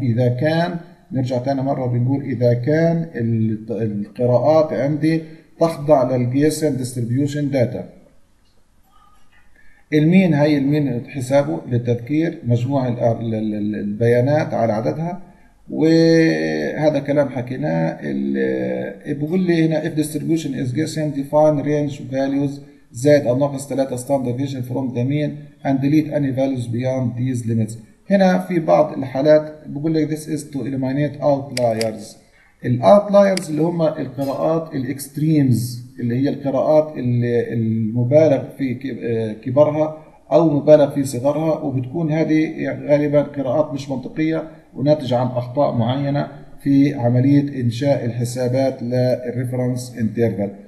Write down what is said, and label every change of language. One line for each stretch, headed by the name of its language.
Arabic: اذا كان نرجع تاني مرة بنقول إذا كان القراءات عندي تخضع للجيسن ديستريبيوشن داتا. المين هي المين حسابه للتذكير مجموع البيانات على عددها، وهذا كلام حكيناه. بيقول لي هنا
English: if distribution is guessing define range values
Arabic: زائد او ناقص
English: 3 standard deviation from the mean and delete any values beyond these limits.
Arabic: هنا في بعض الحالات بيقول لك
English: this is to eliminate outliers.
Arabic: الاوتلايرز اللي هم القراءات الاكستريمز اللي هي القراءات اللي المبالغ في كبرها او مبالغ في صغرها، وبتكون هذه غالبا قراءات مش منطقيه وناتج عن اخطاء معينه في عمليه انشاء الحسابات للريفرنس انترفال.